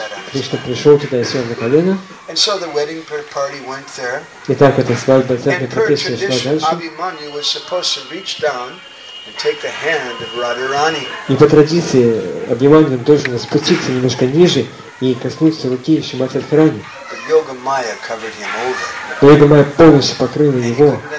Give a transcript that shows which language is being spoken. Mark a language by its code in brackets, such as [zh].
[ru] Кришна пришел туда и сел на колено. [en] And so the wedding party went there. [ru] И так эта свадьба, церковь протестная шла дальше. [en] Abhimanyu was supposed to reach down and take the hand of Radharani. [ru] И по традиции Абхиманью должен спуститься немножко ниже и коснуться руки Шримати Радхарани. [en] But Yoga Maya covered him over. [ru] Но Йога Майя полностью покрыла его.